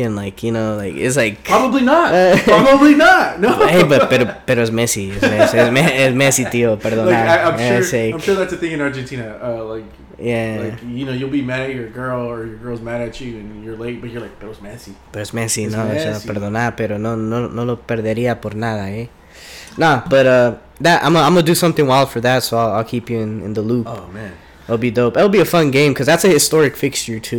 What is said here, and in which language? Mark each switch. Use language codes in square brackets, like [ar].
[en] And, like, you know, like, it's like... Probably not. No. [es] Hey, pero es Messi. Es Messi, tío. Perdona. [en] Like, I'm sure that's a thing in Argentina. Like, you know, you'll be mad at your girl or your girl's mad at you and you're late, but you're like, [es] pero es Messi. Pero es Messi. Es no, Messi. O sea, perdona, pero no lo perdería por nada, eh. [en] Nah, but I'm gonna do something wild for that, so I'll keep you in the loop. Oh, man. It'll be dope. It'll be a fun game because that's a historic fixture too.